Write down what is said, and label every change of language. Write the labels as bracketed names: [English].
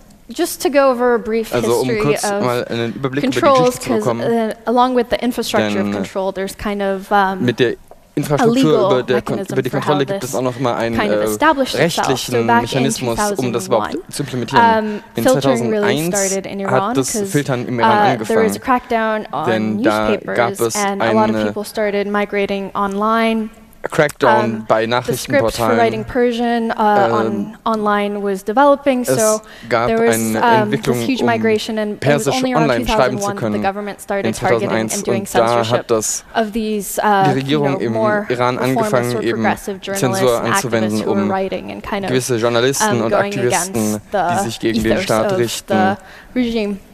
[English] Just to go over a brief history of controls, because along with the infrastructure of control, there's kind of [German] Kontrolle gibt es auch noch mal einen rechtlichen Mechanismus, um das überhaupt zu implementieren. In 2001 hat das Filtern im Iran angefangen, denn da gab es eine Crackdown bei Nachrichtenportalen. [English] The script for writing Persian online was developing, so there was this huge migration, and it was only around 2001 the government started targeting and doing censorship of these more reformist or progressive journalists and activists who were writing and kind of going against the ethos of the regime.